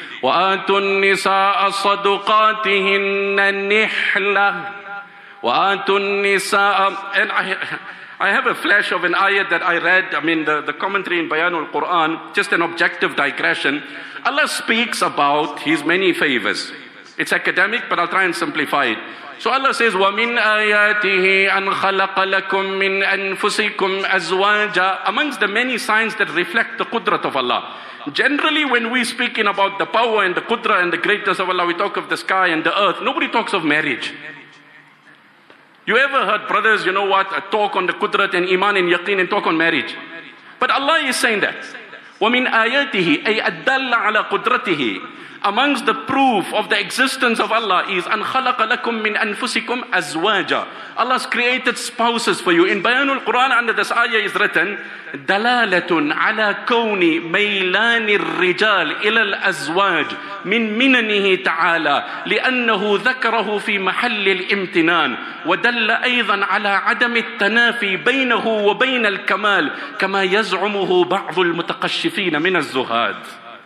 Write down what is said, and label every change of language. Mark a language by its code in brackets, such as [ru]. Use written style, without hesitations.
[ar] وَآتُ النِّسَاءَ صَدُقَاتِهِنَّ نِحْلَةِ وَآتُ النِسَاءَ. [en] And I have a flash of an ayat that I read. I mean, the commentary in Bayanul Quran, just an objective digression. Allah speaks about His many favors. It's academic, but I'll try and simplify it. So Allah says, [ar] وَمِنْ آيَاتِهِ أَنْ خَلَقَ لَكُمْ مِنْ أَنفُسِكُمْ أَزْوَاجًا. [en] Amongst the many signs that reflect the qudrat of Allah. Generally, when we speak in about the power and the qudra and the greatness of Allah, we talk of the sky and the earth. Nobody talks of marriage. You ever heard brothers, you know what, talk on the qudrat and iman and yaqeen and talk on marriage? But Allah is saying that. [ar] وَمِنْ آيَاتِهِ أَيْ أَدَّلَّ عَلَى قُدْرَتِهِ. [en] Amongst the proof of the existence of Allah is [ar] أَنْ خَلَقَ لَكُمْ مِنْ أَنفُسِكُمْ أَزْوَاجًا. [en] Allah's created spouses for you. In Bayanul Quran, under this ayah is written, [ar] دَلَالَةٌ عَلَى كَوْنِ مَيْلَانِ الرِّجَالِ إِلَى الْأَزْوَاجِ مِنْ مِنَنِهِ تَعَالَى لِأَنَّهُ ذَكَرَهُ فِي مَحَلِّ الْإِمْتِنَانِ وَدَلَّ أَيْضًا عَلَى عَدَمِ التَّنَافِي بَيْنَهُ وَبَيْنَ الْكَمَالِ كَمَا يَزْعُمُهُ بَعْضُ الْمُتَقَشِّفِينَ مِنَ الزُّهَادِ.